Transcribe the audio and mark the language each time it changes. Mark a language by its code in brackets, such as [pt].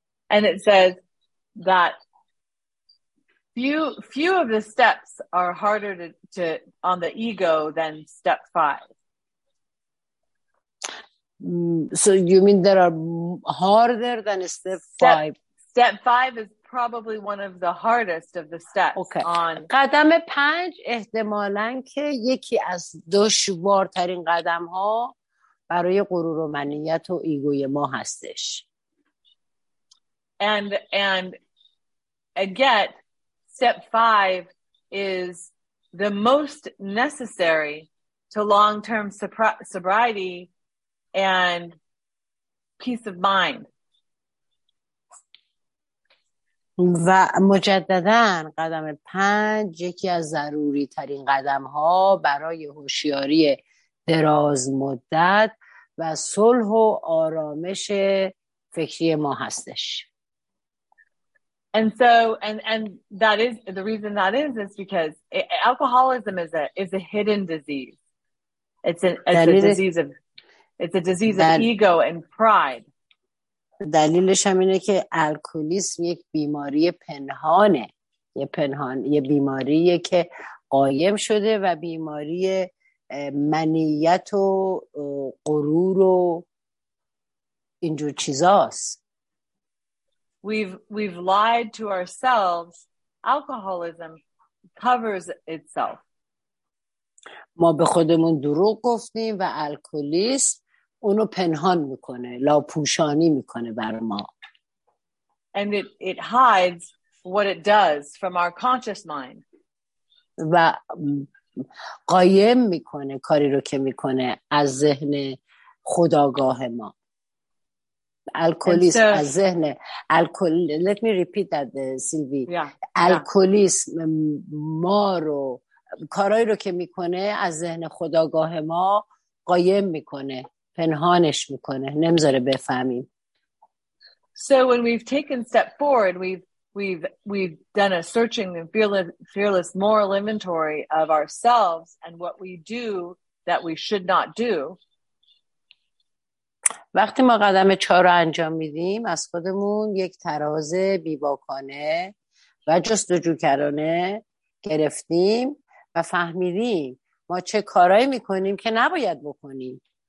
[en] And it says that few of the steps are harder to on the ego than step 5. So you mean there are harder than step 5? Step 5 is probably one of the hardest of the steps. Okay. On [fa] قدم 5 احتمالاً که یکی از دشوارترین قدم‌ها برای غرور و منیت و ایگوی ما هستش. [en] And yet step 5 is the most necessary to long-term sobriety and peace of mind. [fa] و مجددا قدم 5 یکی از ضروری ترین قدم ها برای هوشیاری دراز مدت و صلح و آرامش فکری ما هستش. [en] And so and that is the reason that is because alcoholism is a hidden disease. It's a disease of It's a disease of ego and pride. [fa] دلیلش هم اینه که الکولیسم یک بیماری پنهانه. یه پنهان، یه بیماریه که قایم شده و بیماری منیت و غرور و اینجور چیزاست. [en] We've lied to ourselves. Alcoholism covers itself. [fa] ما به خودمون دروغ گفتیم و الکولیسم اونو پنهان میکنه، لاپوشانی میکنه بر ما. [en] And it hides what it does from our conscious mind. [fa] و قایم میکنه کاری رو که میکنه از ذهن خودآگاه ما. الکولیسم از ذهن الکل. [en] Let me repeat that, Sylvie. Yeah. [fa] الکولیسم ما رو کارایی رو که میکنه از ذهن خودآگاه ما قایم میکنه، پنهانش میکنه، نمیذاره بفهمیم. [en] So when we've taken step forward, we've done a searching and fearless moral inventory of ourselves and what we do that we should not do. [fa] وقتی ما قدم 4 رو انجام میدیم، از خودمون یک تراز بیباکانه و جستجوکرانه گرفتیم و فهمیدیم ما چه کارهایی میکنیم که نباید بکنیم.